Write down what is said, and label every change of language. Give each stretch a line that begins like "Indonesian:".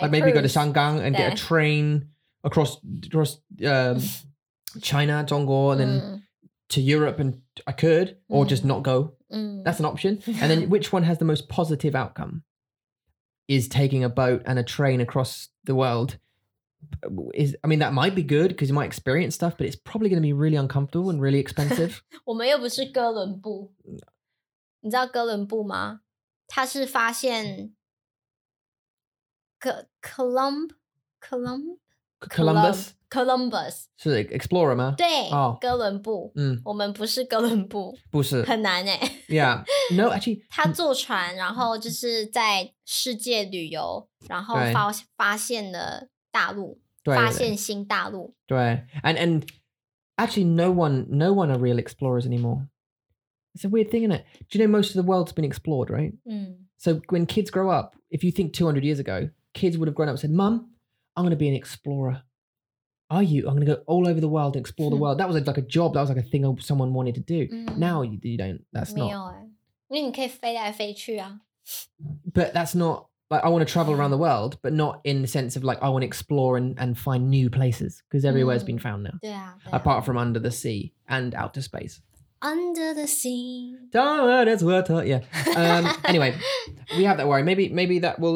English: Like maybe go to Shanggang and get a train across China, Zhongguo, and then to Europe, and I could. Or just not go. That's an option. And then which one has the most positive outcome? Is taking a boat and a train across the world. That might be good because you might experience stuff, but it's probably going to be really uncomfortable and really expensive.
Chinese: 我们又不是哥伦布，你知道哥伦布吗？他是发现Columbus? Columbus 是 Explorer 吗？对，哦，哥伦布。嗯，我们不是哥伦布，不是，很难诶。
English: Yeah, no, actually,
Chinese: 他坐船，然后就是在世界旅游，然后发现了大陆，对，发现新大陆。
English: 对 ，and actually, no one are real explorers anymore. It's a weird thing, isn't it? Do you know most of the world's been explored, right?
Chinese: 嗯。
English: So when kids grow up, if you think 200 years ago, kids would have grown up and said, "Mum, I'm going to be an explorer." Are you? I'm going to go all over the world and explore the world. That was like a job. That was like a thing someone wanted to do. Now you don't. That's not.
Chinese: 没有，因为你可以飞来飞去啊。
English: But that's not, like, I want to travel around the world, but not in the sense of like, I want to explore and find new places because everywhere has been found now.
Chinese: 对啊。
English: Apart from under the sea and outer space. Under the sea. Don't worry, it's worth it. Yeah. anyway, we have that worry. Maybe that will...